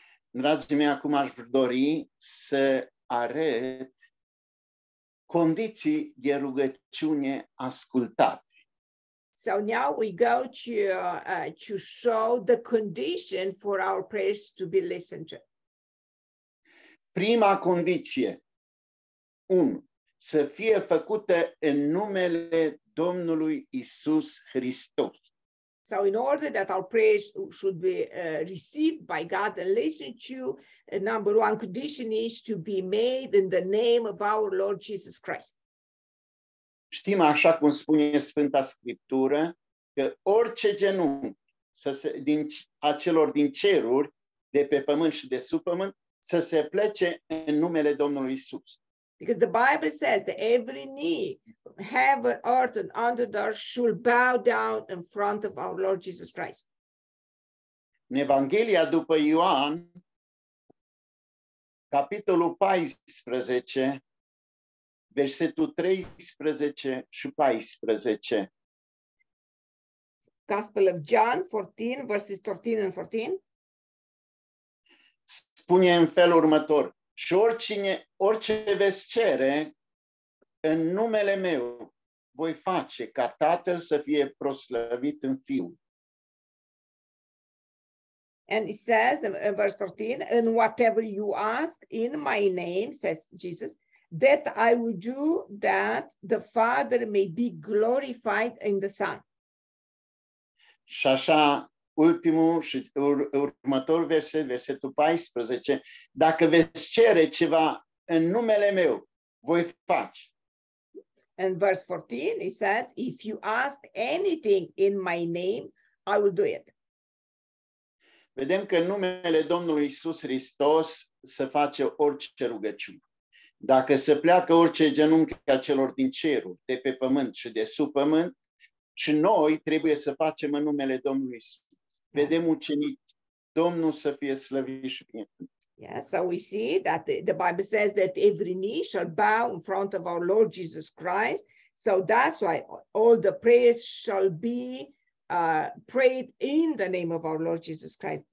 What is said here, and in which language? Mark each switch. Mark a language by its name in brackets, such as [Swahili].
[Romanian] Dragii mei, acum aș dori să arăt condiții de rugăciune ascultate. [English] So now we go to show the condition for our prayers to be listened to. [Romanian] Prima condiție. 1. să fie făcute în numele Domnului Isus Hristos. [English] So in order that our prayers should be received by God and listened to, number one condition is to be made in the name of our Lord Jesus Christ. [Romanian] Știm, așa cum spune Sfânta Scriptură, că orice genunchi să se, din, a celor din ceruri, de pe pământ și de sub pământ, să se plece în numele Domnului Isus. [English] Because the Bible says that every knee, heaven, earth, and under the earth should bow down in front of our Lord Jesus Christ. [Romanian] În Evanghelia după Ioan, capitolul 14, versetul 13 și 14. [English] Gospel of John 14, verses 13 and 14. [Romanian] Spune în felul următor. Și oricine, orice veți cere, în numele meu, voi face ca Tatăl să fie proslăvit în Fiul. [English] And it says in verse 14, in whatever you ask in my name, says Jesus, that I will do that the Father may be glorified in the Son. [Romanian] Și așa, ultimul și următor verset, versetul 14, dacă veți cere ceva în numele meu, voi face. [English] In verse 14, it says, if you ask anything in my name, I will do it. [Romanian] Vedem că în numele Domnului Iisus Hristos se face orice rugăciune. Dacă se pleacă orice genunchi a celor din ceruri, de pe pământ și de sub pământ, și noi trebuie să facem în numele Domnului Iisus. Vedem ucenici, Domnul să fie slăvit și bine. [English] Yeah, so we see that the Bible says that every knee shall bow in front of our Lord Jesus Christ. So that's why all the prayers shall be prayed in the name of our Lord Jesus Christ.